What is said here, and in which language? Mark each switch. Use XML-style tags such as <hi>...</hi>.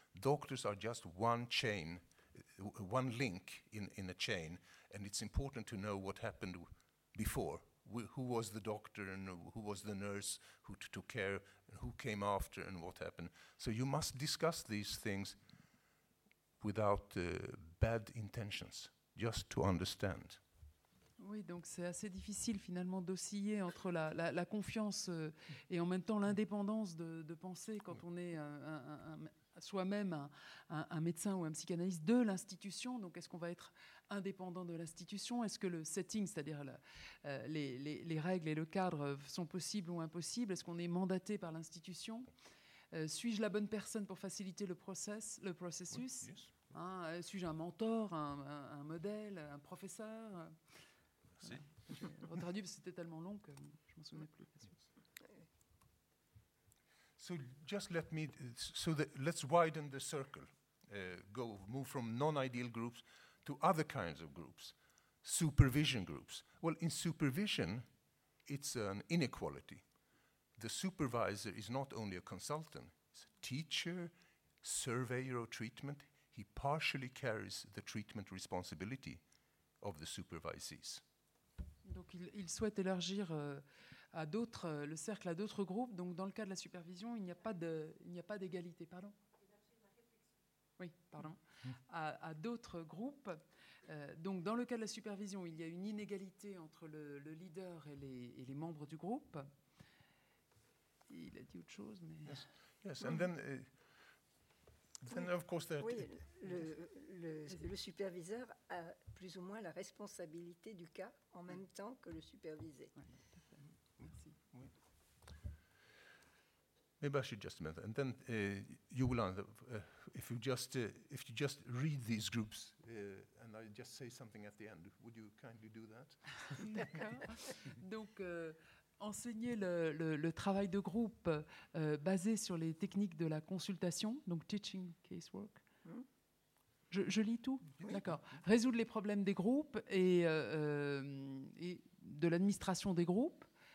<en>Doctors are just one chain, one link in a chain, and it's important to know what happened before. Who was the doctor and who was the nurse who took care, and who came after and what happened. So you must discuss these things without bad intentions, just to understand.</en> <fr>Oui, donc c'est assez difficile finalement d'osciller entre la confiance et en même temps l'indépendance de penser quand on est soi-même un médecin ou un psychanalyste de l'institution. Donc est-ce qu'on va être indépendant de l'institution? Est-ce que le setting, c'est-à-dire les règles et le cadre sont possibles ou impossibles? Est-ce qu'on est mandaté par l'institution? Suis-je la bonne personne pour faciliter le processus? Hein, suis-je un mentor, un modèle, un professeur? C'était tellement long que je m'en souvenais plus.</fr> <en>So just let me let's widen the circle. Move from non-ideal groups to other kinds of groups, supervision groups. Well, in supervision, it's an inequality. The supervisor is not only a consultant, he's a teacher, surveyor of treatment. He partially carries the treatment responsibility of the supervisees.</en> <fr>Donc il souhaite élargir à d'autres le cercle à d'autres groupes. Donc dans le cas de la supervision, il n'y a pas d'égalité. Pardon. Oui, pardon. À d'autres groupes. Donc, dans le cas de la supervision, il y a une inégalité entre le leader et les membres du groupe. Il a dit autre chose, mais... Le superviseur a plus ou moins la responsabilité du cas en même temps que le supervisé.</fr> <en>Maybe I should just mention, and then you will answer. If you just read these groups, and I just say something at the end, would you kindly do that?</en> <fr>D'accord. Donc, enseigner le travail de groupe basé sur les techniques de la consultation, donc teaching casework. Je lis tout. Oui. D'accord. Résoudre les problèmes des groupes et de l'administration des groupes.</fr>